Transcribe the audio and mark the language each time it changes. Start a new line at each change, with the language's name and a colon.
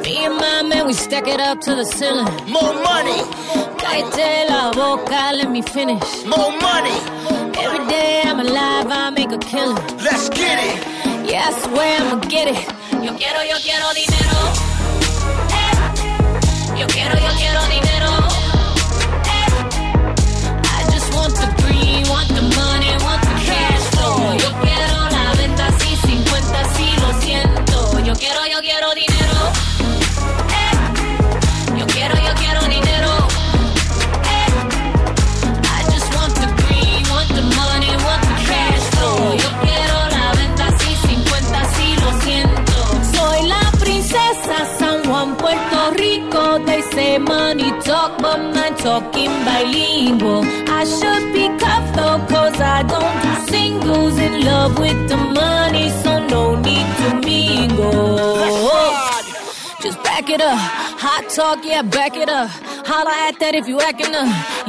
English: Me and my man, we stack it up to the ceiling. More money.
Spanish: Cállate la boca,
English: let me finish. More money. Every day I'm alive, I make a killing. Let's get it. Yeah, I swear I'ma get it.
Spanish: Yo quiero, yo quiero dinero. Yo quiero dinero.
English: I just want the green, want the money, want the cash flow.
Spanish: Yo quiero la venta, si, 50, si, lo siento. Yo quiero dinero. Yo quiero dinero.
English: I just want the green, want the money, want the cash flow.
Spanish: Yo quiero la venta, si, 50, si, lo siento. Soy la princesa San Juan, Puerto Rico.
English: They say money talk, but mine talking bilingual. I should be cuffed though, cause I don't do singles. In love with the money, so no need to mingle. Just back it up, hot talk, yeah, back it up. Holla at that if you acting up.